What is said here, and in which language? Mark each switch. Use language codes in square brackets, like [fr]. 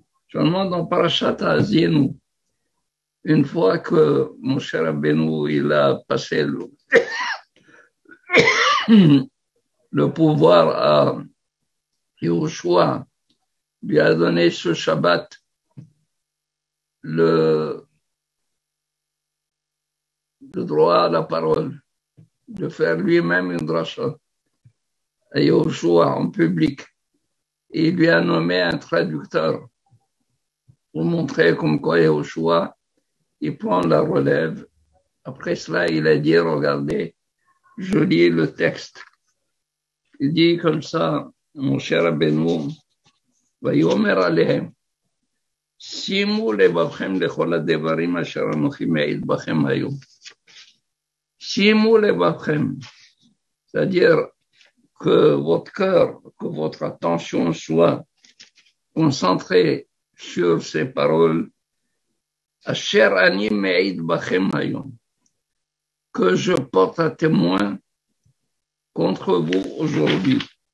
[fr] Seulement dans Parashat Hazinu, une fois que mon cher Rabbeinu, il a passé le pouvoir à Yehoshua, lui a donné ce Shabbat, le droit à la parole, de faire lui-même une drasha à Yehoshua en public. Et il lui a nommé un traducteur pour montrer comme quoi Yehoshua, il prend la relève. Après cela, il a dit, regardez, je lis le texte. Il dit comme ça, mon cher Rabbeinu, [he] ויאמר עליהם, שימו לבבכם לכל הדברים אשר אנוכי מעיד בכם היום. שימו לבבכם, [fr] c'est-à-dire que votre cœur, que votre attention soit concentrée sur ces paroles, [he] אשר אני מעיד בכם היום, [fr] que je porte à témoin contre vous aujourd'hui.